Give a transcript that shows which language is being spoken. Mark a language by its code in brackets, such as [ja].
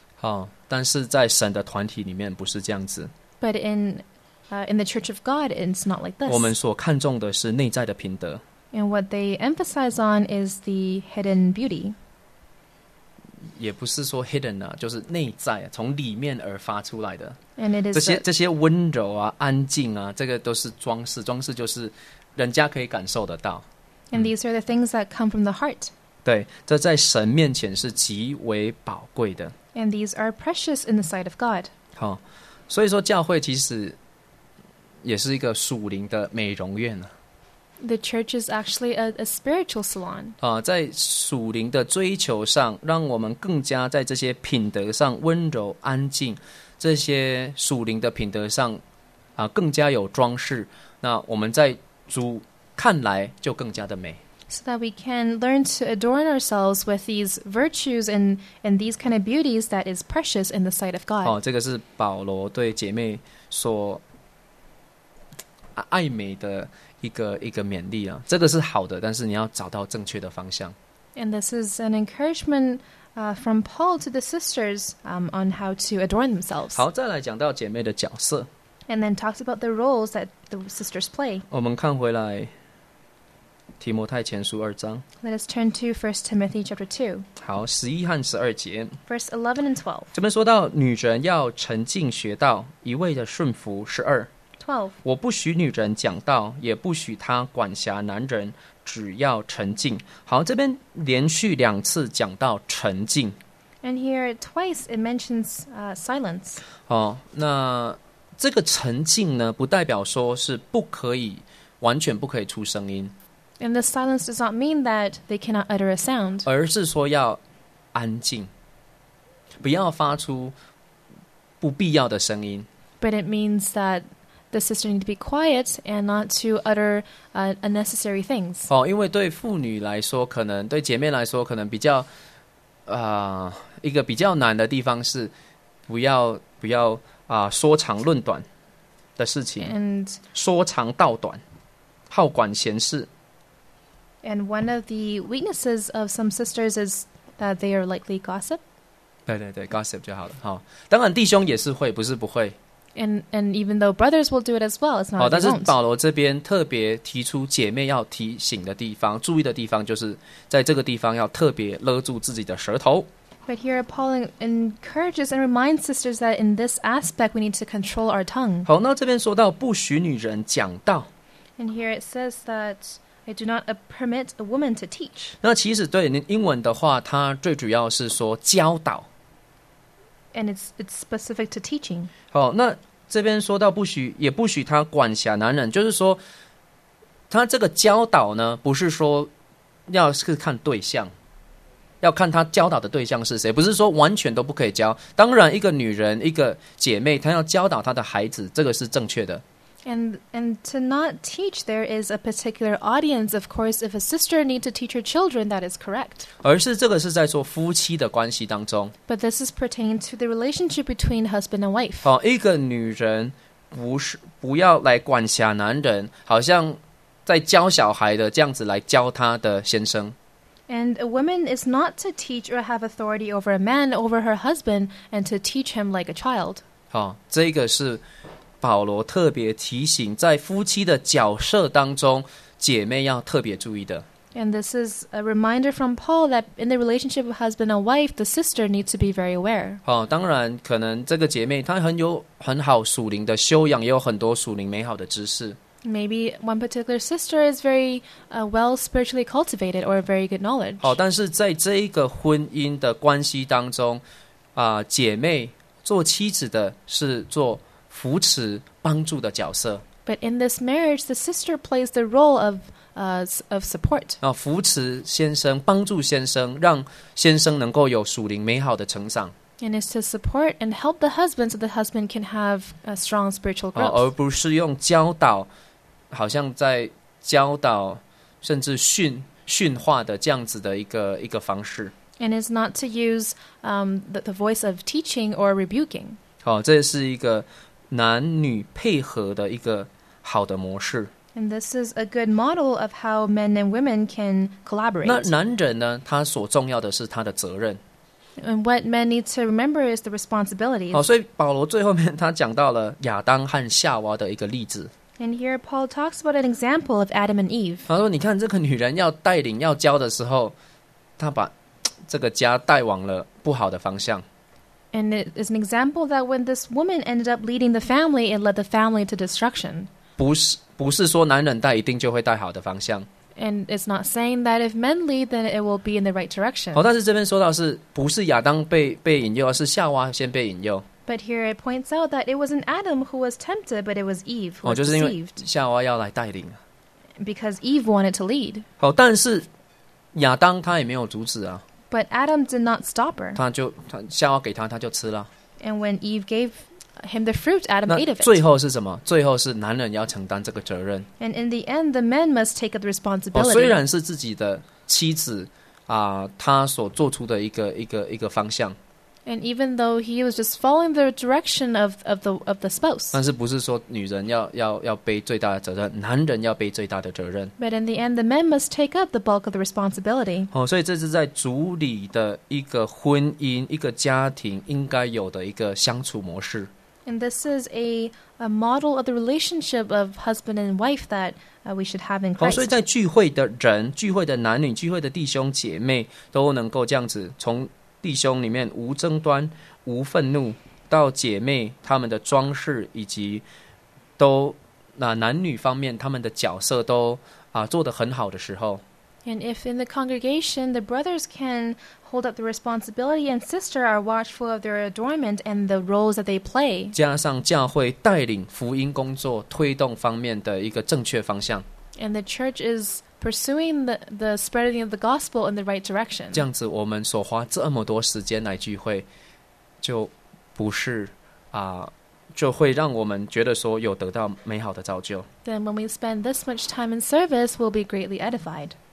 [zh] 好，但是在神的团体里面不是这样子。 [en] But in the church of God, it's not like this. [zh] 我们所看重的是内在的品德。 [en] And what they emphasize on is the hidden beauty. [zh] 也不是说 hidden 啊，就是内在从里面而发出来的。 [en] And it is [zh] 这些温柔啊，安静啊，这个都是装饰。装饰就是人家可以感受得到。 [en] And these are the things that come from the heart. [zh] 对，这在神面前是极为宝贵的。 [en] And these are precious in the sight of God. [zh] 好，所以说教会其实也是一个属灵的美容院啊。 [en] The church is actually a spiritual salon. [zh] 在属灵的追求上，让我们更加在这些品德上温柔安静，这些属灵的品德上更加有装饰，那我们在主看来就更加的美。 [en] So that we can learn to adorn ourselves with these virtues and these kind of beauties that is precious in the sight of God. [zh] 这个是保罗对姐妹所爱美的一个勉励啊，这个是好的，但是你要找到正确的方向。 [en] And this is an encouragement from Paul to the sisters on how to adorn themselves. [zh] 好，再来讲到姐妹的角色。 [en] And then talks about the roles that the sisters play. [zh] 我们看回来提摩太前书二章。 [en] Let us turn to 1 Timothy chapter 2. [zh] 好，十一和十二节。 [en] Verse 11 and 12. [zh] 这边说到女人要沉静学道，一味的顺服。十二。我不许女人讲道，也不许她管辖男人，只要沉静。好，这边连续两次讲到沉静。 [en] And here twice it mentions silence. [zh] 那这个沉静呢，不代表说是不可以，完全不可以出声音。 [en] And the silence does not mean that they cannot utter a sound. [zh] 而是说要安静，不要发出不必要的声音。 [en] But it means that the sister need to be quiet and not to utter unnecessary things. [zh] 因为对妇女来说，可能对姐妹来说，可能比较一个比较难的地方是不要说长论短的事情。 [en] And [zh] 说长道短，好管闲事。 [en] And one of the weaknesses of some sisters is that they are likely gossip. [zh] 对对对 ，gossip 就好了。好，当然弟兄也是会，不是不会。 [en] And even though brothers will do it as well, it's not. [zh] 但是保罗这边特别提出姐妹要提醒的地方、注意的地方，就是在这个地方要特别勒住自己的舌头。 [en] But here, Paul encourages and reminds sisters that in this aspect, we need to control our tongue. [zh] 好，那这边说到不许女人讲道。 [en] And here it says that I do not permit a woman to teach. [zh] 那其实对英文的话，它最主要是说教导。 [en] And it's specific to teaching. [zh] 好，那这边说到不许，也不许她管辖男人，就是说，她这个教导呢，不是说要是看对象。要看他教导的对象是谁，不是说完全都不可以教。当然，一个女人，一个姐妹，她要教导她的孩子，这个是正确的。 [en] And to not teach, there is a particular audience. Of course, if a sister need to teach her children, that is correct. [zh] 而是这个是在说夫妻的关系当中。 [en] But this is pertaining to the relationship between husband and wife. [zh] 好，一个女人不要来管辖男人，好像在教小孩的这样子来教她的先生。 [en] And a woman is not to teach or have authority over a man, over her husband, and to teach him like a child. [zh] 好，这个是保罗特别提醒在夫妻的角色当中姐妹要特别注意的。 [en] And this is a reminder from Paul that in the relationship of husband and wife, the sister needs to be very aware. [zh] 好，当然可能这个姐妹她很好属灵的修养，也有很多属灵美好的知识。 [en] Maybe one particular sister is very well spiritually cultivated or very good knowledge. [zh] 好，但是在这一个婚姻的关系当中，姐妹做妻子的是做扶持帮助的角色。 [en] But in this marriage, the sister plays the role of support. [zh] 扶持先生，帮助先生，让先生能够有属灵美好的成长。 [en] And is to support and help the husband so the husband can have a strong spiritual growth. [zh] 而不是用教导，好像在教导甚至训话的这样子的一个方式。 [en] And is not to use the voice of teaching or rebuking. [zh] 好，这是一个男女配合的一个好的模式。 [en] And this is a good model of how men and women can collaborate. [zh] 那男人呢，他所重要的是他的责任。 [en] And what men need to remember is the responsibility. [zh] 好，所以保罗最后面他讲到了亚当和夏娃的一个例子。 [en] And here Paul talks about an example of Adam and Eve. [zh] 他说：“你看，这个女人要带领、要教的时候，她把这个家带往了不好的方向。” [en] And it is an example that when this woman ended up leading the family, it led the family to destruction. [zh] 不是说男人带一定就会带好的方向。 [en] And it's not saying that if men lead, then it will be in the right direction. [zh] 好，但是这边说到是不是亚当被引诱，而是夏娃先被引诱。 [en] But here it points out that it wasn't Adam who was tempted, but it was Eve who was deceived. [zh] 就是因为夏娃要来带领。 [en] Because Eve wanted to lead. [zh] 好，但是亚当他也没有阻止啊。 [en] But Adam did not stop her. [zh] 夏娃给他，他就吃了。 [en] And when Eve gave him the fruit, Adam ate of it. [zh] 那最后是什么？最后是男人要承担这个责任。 [en] And in the end, the men must take up the responsibility. [zh] 虽然是自己的妻子他所做出的一个方向。 [en] And even though he was just following the direction of the spouse. [zh] 但是不是说女人要背最大的责任，男人要背最大的责任。 [en] But in the end, the men must take up the bulk of the responsibility. [zh] 所以这是在主里的一个婚姻，一个家庭应该有的一个相处模式。 [en] And this is a model of the relationship of husband and wife that we should have in Christ. [zh] 所以在聚会的人、聚会的男女、聚会的弟兄姐妹都能够这样子从弟兄里面无争端、无愤怒，到姐妹他们的装饰以及都男女方面他们的角色都做得很好的时候。 [en] And if in the congregation the brothers can hold up the responsibility and sister are watchful of their adornment and the roles that they play. [zh] 加上教会带领福音工作推动方面的一个正确方向。 [en] And the church is pursuing the spreading of the gospel in the right direction. [zh] 这样子我们所花这么多时间来聚会就不是就会让我们觉得说有得到美好的造就。 [en] Then when we spend this much time in service, we'll be greatly edified.